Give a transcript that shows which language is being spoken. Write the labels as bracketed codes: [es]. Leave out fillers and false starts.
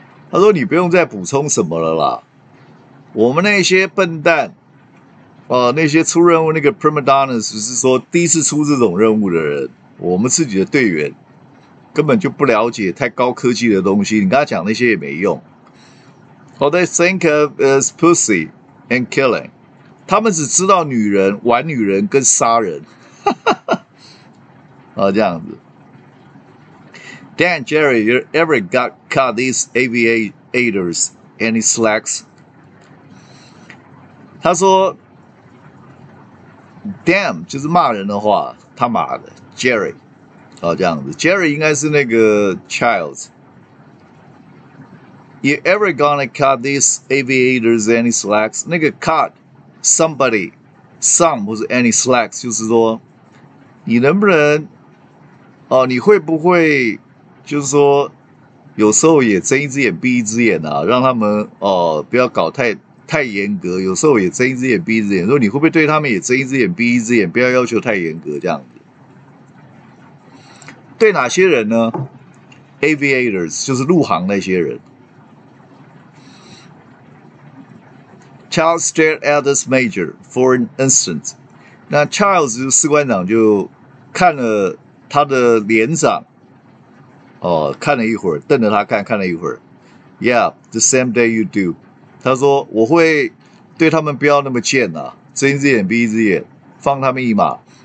[zh] 他说你不用再补充什么了啦，我们那些笨蛋。那些出任务那个 prima donna 只是说第一次出这种任务的人，我们自己的队员根本就不了解太高科技的东西，你跟他讲那些也没用。 [en] All they think of is pussy and killing. [zh] 他们只知道女人、玩女人跟杀人。哈哈哈。这样子。 [en] Dan, Jerry, you ever got caught these aviators any slacks? [zh] 他说 [en] Damn, [zh] 就是骂人的话，他骂的 Jerry, 哦，这样子 ，Jerry 应该是那个 Childs. [en] You ever gonna cut these aviators any slacks? [zh] 那个 [en] cut somebody some [zh] 不是 [en] any slacks, [zh] 就是说你能不能，哦，你会不会就是说有时候也睁一只眼闭一只眼啊，让他们哦不要搞太严格，有时候也睁一只眼闭一只眼，说你会不会对他们也睁一只眼闭一只眼，不要要求太严格这样子。对哪些人呢 ？Aviators 就是陆航那些人。 [en] Charles stared at this major for an instant. [zh] 那 Charles 就是士官长就看了他的连长，哦，看了一会儿，瞪着他看，看了一会儿。 [en] Yeah, the same day you do. [zh] 他说：“我会对他们不要那么贱啊，睁一只眼闭一只眼，放他们一马。